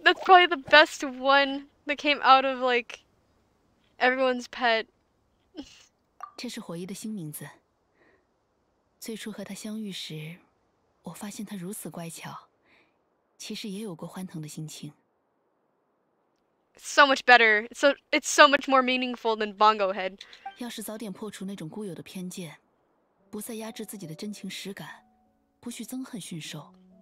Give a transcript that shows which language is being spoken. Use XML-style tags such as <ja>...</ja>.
<en>That's probably the best one that came out of like everyone's pet.</en> <zh>这是火衣的新名字。最初和他相遇时，我发现他如此乖巧，其实也有过欢腾的心情。So</zh> <en>much better. It's so much more meaningful than Bongo Head.</en> <zh>要是早点破除那种固有的偏见，不再压制自己的真情实感，不去憎恨驯兽。</zh>